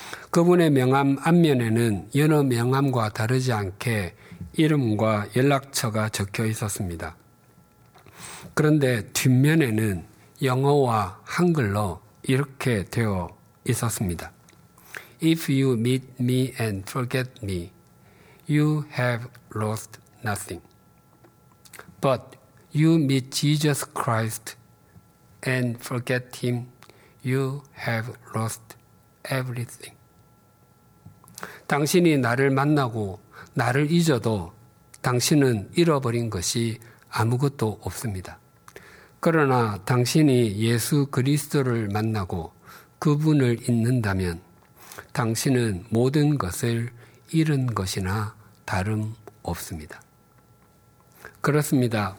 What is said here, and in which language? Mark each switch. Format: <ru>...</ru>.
<ko>그분의 명함 앞면에는 여느 명함과 다르지 않게 이름과 연락처가 적혀 있었습니다. 그런데 뒷면에는 영어와 한글로 이렇게 되어 있었습니다.</ko> <en>If you meet me and forget me, you have lost nothing. But you meet Jesus Christ and forget him, you have lost everything.</en> <ko>당신이 나를 만나고 나를 잊어도 당신은 잃어버린 것이 아무것도 없습니다. 그러나 당신이 예수 그리스도를 만나고 그분을 잊는다면 당신은 모든 것을 잃은 것이나 다름없습니다. 그렇습니다.</ko>